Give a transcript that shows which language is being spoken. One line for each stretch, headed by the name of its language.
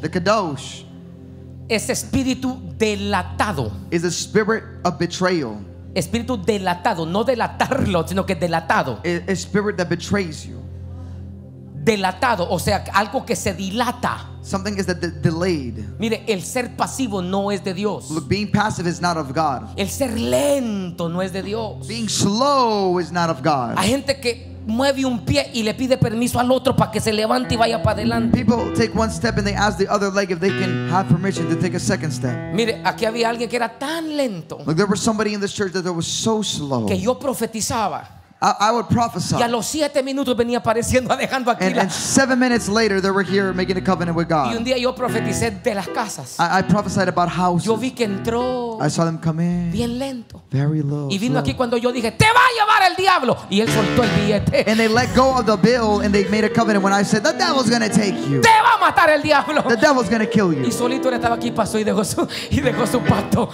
English: The Kadosh.
Spanish: Es espíritu delatado.
English: Is a spirit of betrayal.
Spanish: Espíritu delatado, no delatarlo, sino que delatado.
English: A spirit that betrays you.
Spanish: Delatado, o sea, algo que se dilata.
English: Something is that delayed.
Spanish: Mire, el ser pasivo no es de Dios.
English: Look, being passive is not of God.
Spanish: El ser lento no es de Dios.
English: Being slow is not of God.
Spanish: Hay gente que mueve un pie y le pide permiso al otro para que se levante y vaya para adelante.
English: People take one step and they ask the other leg if they can have permission to take a second step.
Spanish: Mire, aquí había alguien que era tan lento.
English: Look, there was somebody in this church that was so slow.
Spanish: Que yo profetizaba.
English: I would prophesy.
Spanish: Y a los 7 minutos venía apareciendo dejando aquí.
English: And 7 minutes later they were here making a covenant with God.
Spanish: Y un día yo profeticé de las casas.
English: I prophesied about houses.
Spanish: Yo vi que entró.
English: I saw them come in.
Spanish: Bien lento.
English: Very low.
Spanish: Y vino aquí cuando yo dije, "Te va a llevar el diablo." Y él soltó el billete.
English: And they let go of the bill and they made a covenant when I said, "The devil's going to take you."
Spanish: Te va a matar el diablo.
English: The devil's going to kill you.
Spanish: Y solito él estaba aquí, pasó y dejó su pacto.